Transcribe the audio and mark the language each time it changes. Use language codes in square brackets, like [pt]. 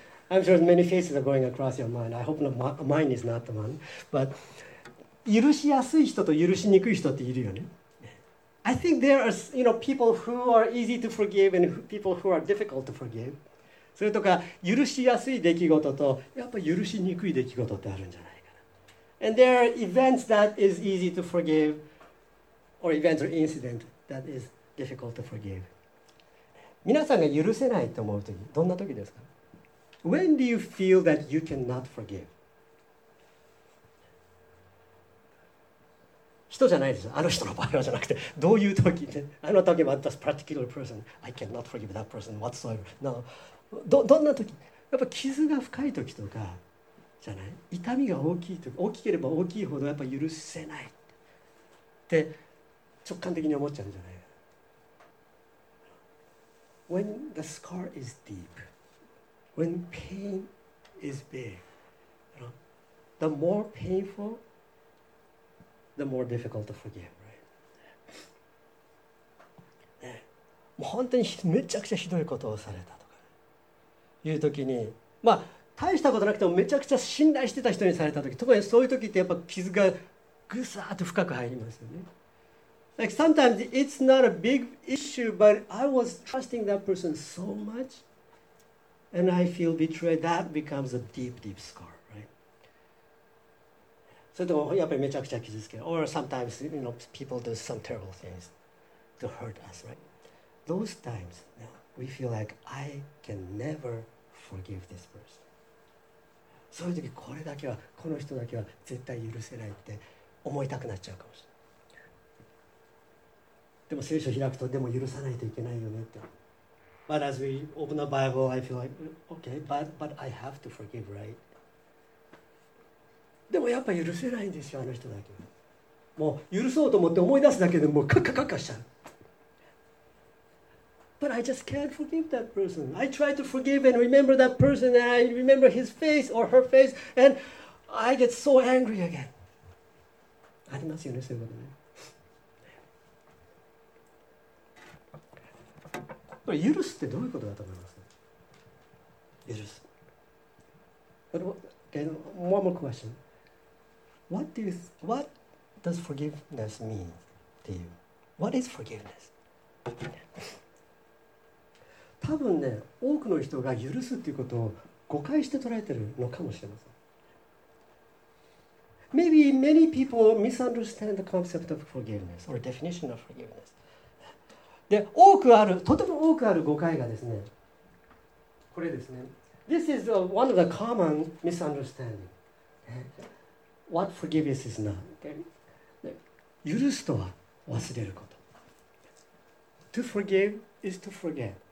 [en] I'm sure many faces are going across your mind. I hope not mine is not the one. [ja] But 許しやすい人と許しにくい人っているよね。 [en] I think there are, you know, people who are easy to forgive and people who are difficult to forgive. [ja] それとか許しやすい出来事とやっぱ許しにくい出来事ってあるんじゃないかな。 [en] And there are events that is easy to forgive or events or incident that is difficult to forgive. [ja] 皆さんが許せないと思う時どんな時ですか? [en] When do you feel that you cannot forgive? [ja] 人じゃないです、あの人の場合はじゃなくて、どういう時で、あの時は [en] this particular person, I cannot forgive that person whatsoever. No. [ja] どんな時、やっぱ傷が深い時とかじゃない、痛みが大きい時、大きければ大きいほどやっぱ許せないって直感的に思っちゃうんじゃない。 [en] When the scar is deep, when pain is big, you know, the more painful, the more difficult to forgive, right? [ja] ね、もう本当にめちゃくちゃひどいことをされたという時に、まあ大したことなくてもめちゃくちゃ信頼してた人にされた時、特にそういう時ってやっぱ傷がぐさーっと深く入りますよね。 [en] Like sometimes it's not a big issue, but I was trusting that person so much and I feel betrayed. That becomes a deep, deep scar, right? [ja] それともやっぱりめちゃくちゃ傷つける。 [en] Or sometimes, you know, people do some terrible things to hurt us, right? Those times, you know,We feel like I can never forgive this person. [ja] そういう時、これだけは、この人だけは絶対許せないって思いたくなっちゃうかもしれない。でも聖書開くと、でも許さないといけないよねって。 [en] But as we open the Bible, I feel like, okay, but I have to forgive, right? [ja] でもやっぱ許せないんですよ、あの人だけは。もう許そうと思って思い出すだけでもうカッカカッカしちゃう。 [en] But I just can't forgive that person. I try to forgive and remember that person and I remember his face or her face and I get so angry again. [ja] ありますよね、そういうことね。これ許すってどういうことだと思いますか? 許す。 [en] But okay, one more question. What does forgiveness mean to you? What is forgiveness? [ja] 多分ね、多くの人が許すっていうことを誤解して捉えてるのかもしれません。 [en] Maybe many people misunderstand the concept of forgiveness or definition of forgiveness. [ja] で、多くある、とても多くある誤解がですね、これですね。 [en] This is one of the common misunderstanding. What forgiveness is not. [ja] 許すとは忘れること。 [en] To forgive is to forget.